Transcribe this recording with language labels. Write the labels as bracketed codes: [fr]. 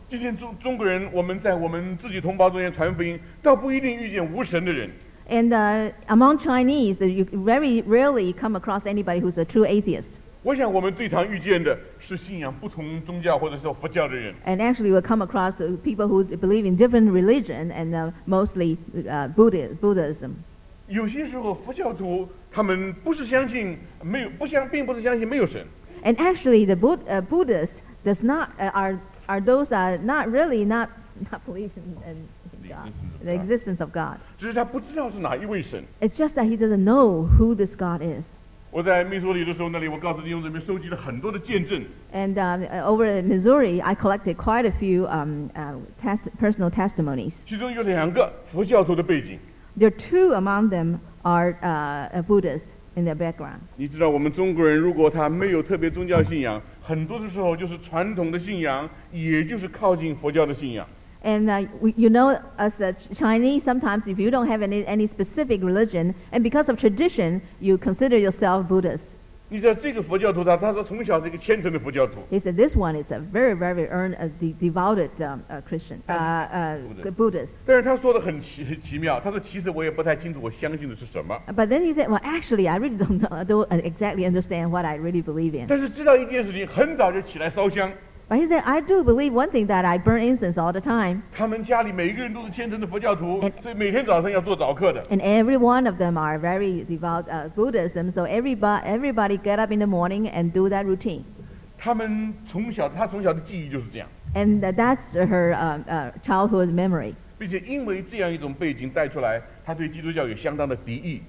[zh] 今天中国人，我们在我们自己同胞中间传福音，倒不一定遇见无神的人。 [en] And among Chinese, you very rarely come across anybody who's a true atheist. [zh] 我想我们最常遇见的是信仰不同宗教或者是佛教的人。 [en] And actually, we come across people who believe in different religion and mostly Buddhism. [zh] 有些时候，佛教徒他们不是相信没有不相，并不是相信没有神。 [en] And actually, the Buddhist does not are those that are not really not believe in God, the existence of God. [zh] 只是他不知道是哪一位神。 [en] It's just that he doesn't know who this God is. [zh] 我在密苏里的时候，那里我告诉弟兄姊妹，收集了很多的见证。 [en] And over in Missouri, I collected quite a few personal testimonies. [zh] 其中有两个佛教徒的背景。 [en] There are two among them are Buddhists in their background. [zh] 你知道，我们中国人如果他没有特别宗教信仰，很多的时候就是传统的信仰，也就是靠近佛教的信仰。 [en] And as a Chinese, sometimes if you don't have any specific religion, and because of tradition, you consider yourself Buddhist. [zh] 你知道这个佛教徒他说从小是一个虔诚的佛教徒。 [en] He said this one is a very, very devoted Christian, Buddhist. [zh] 但是他说的很奇妙，他说其实我也不太清楚我相信的是什么。 [en] But then he said, well, actually, I really don't exactly understand what I really believe in. [zh] 但是知道一件事情，很早就起来烧香。 [en] But he said, I do believe one thing, that I burn incense all the time. [zh] 他们家里每一个人都是虔诚的佛教徒，所以每天早上要做早课的。 [en] And every one of them are very devout Buddhism, so everybody get up in the morning and do that routine. [zh] 他从小的记忆就是这样。 [en] And that's her childhood memory. [zh] 并且因为这样一种背景带出来，他对基督教有相当的敌意。